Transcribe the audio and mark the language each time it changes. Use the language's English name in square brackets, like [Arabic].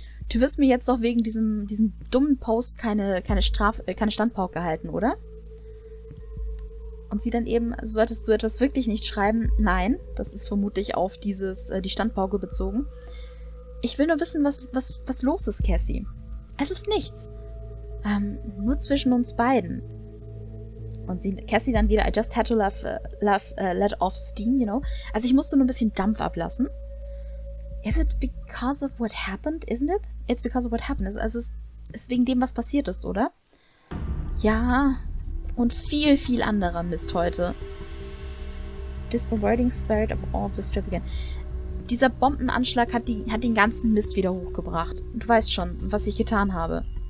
[German] Du wirst mir jetzt auch wegen diesem dummen Post keine Standpauke halten, oder? Und sie dann eben, also solltest du etwas wirklich nicht schreiben? Nein, das ist vermutlich auf dieses die Standpauke bezogen. Ich will nur wissen, was los ist, Cassie. Es ist nichts. Nur zwischen uns beiden. Und sie, Cassie dann wieder, [English] I just had to let off steam, you know. [German] Also ich musste nur ein bisschen Dampf ablassen. [English] Is it because of what happened, isn't it? It's because of what happened. [German] Also es ist wegen dem, was passiert ist, oder? Ja... Und viel, viel anderer Mist heute. [English] This bombarding started up all of the strip again. [German] Dieser Bombenanschlag hat den ganzen Mist wieder hochgebracht. Du weißt schon, was ich getan habe.